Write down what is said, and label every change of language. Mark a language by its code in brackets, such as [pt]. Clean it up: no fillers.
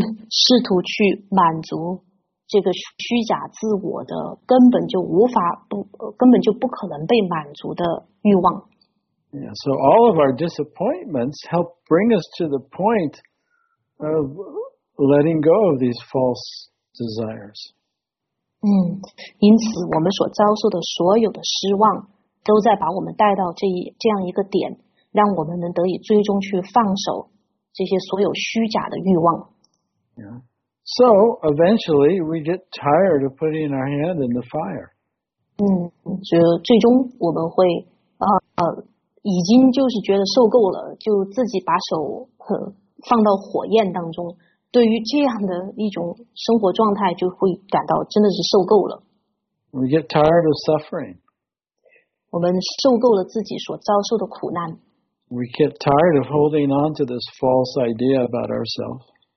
[zh] 试图去满足这个虚假自我的根本就无法不根本就不可能被满足的欲望。 [en] Yeah, so all of our disappointments help bring us to the point of letting go of these false desires. [zh] 因此我们所遭受的所有的失望都在把我们带到这样一个点，让我们能得以最终去放手这些所有虚假的欲望。 [en] Yeah. So eventually we get tired of putting our hand in the fire. [zh] 就最终我们会已经就是觉得受够了，就自己把手放到火焰当中，对于这样的一种生活状态就会感到真的是受够了。 [en] We get tired of suffering. [zh] 我们受够了自己所遭受的苦难。 [en] We get tired of holding on to this false idea about ourselves.